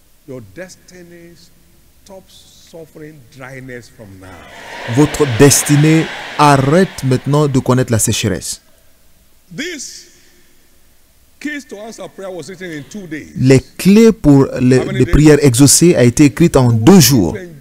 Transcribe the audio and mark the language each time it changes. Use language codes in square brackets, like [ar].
[en] Your destiny stops suffering dryness from now. [fr] Votre destinée arrête maintenant de connaître la sécheresse. [en] This keys to answer prayer was written in 2 days. [fr] Les clés pour les prières exaucées a été écrite en 2 jours.